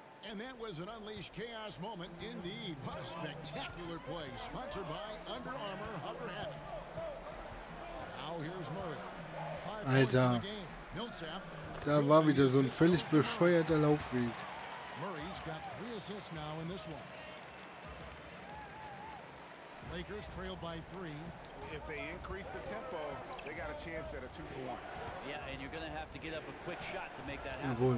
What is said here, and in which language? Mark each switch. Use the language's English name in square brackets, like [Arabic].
[English] And that was an unleashed chaos moment indeed. What a spectacular play, sponsored by Under Armour Hover Hat. Now here's Murray. [German] Alter. Da war wieder so ein völlig bescheuerter Laufweg. [English] Murray's got 3 assists now in this one. Lakers trail by three. If they increase the tempo, they got a chance at a 2-for-1. Yeah, and you're going to have to get up a quick shot to make that happen.